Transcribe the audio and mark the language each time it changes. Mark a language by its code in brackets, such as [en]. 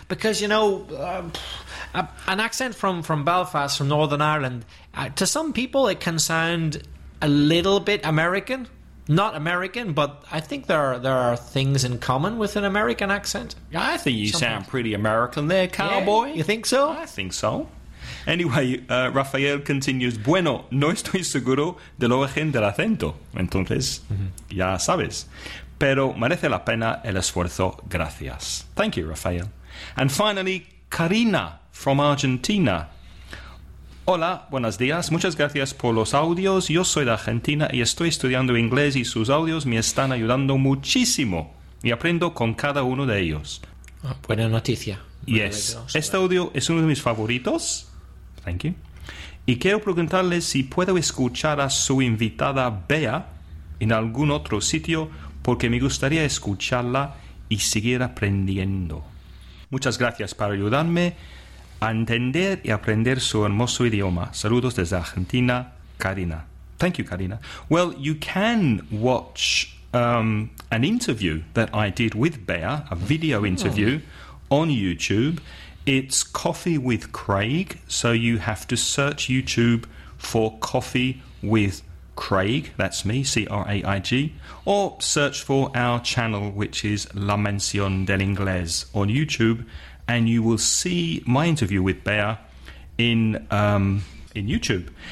[en] Because, you know, an accent from Belfast, from Northern Ireland, to some people it can sound a little bit American. Not American, but I think there are things in common with an American accent. I think you sound pretty American there, cowboy. Yeah, you think so? I think so. Anyway, Rafael continues, [es] bueno, no estoy seguro del origen del acento. Entonces, ya sabes. Pero merece la pena el esfuerzo. Gracias. [en] Thank you, Rafael. And finally, Karina from Argentina. [es] Hola, buenos días. Muchas gracias por los audios. Yo soy de Argentina y estoy estudiando inglés y sus audios me están ayudando muchísimo. Y aprendo con cada uno de ellos. Oh, buena noticia. [en] Yes. [es] Este audio es uno de mis favoritos. [en] Thank you. [es] Y quiero preguntarles si puedo escuchar a su invitada Bea en algún otro sitio porque me gustaría escucharla y seguir aprendiendo. Muchas gracias por ayudarme a entender y aprender su hermoso idioma. Saludos desde Argentina, Karina. [en] Thank you, Karina. Well, you can watch an interview that I did with Bea, a video interview on YouTube. It's Coffee with Craig, so you have to search YouTube for Coffee with Craig, that's me, C-R-A-I-G, or search for our channel, which is La Mención del Inglés on YouTube, and you will see my interview with Bea in YouTube.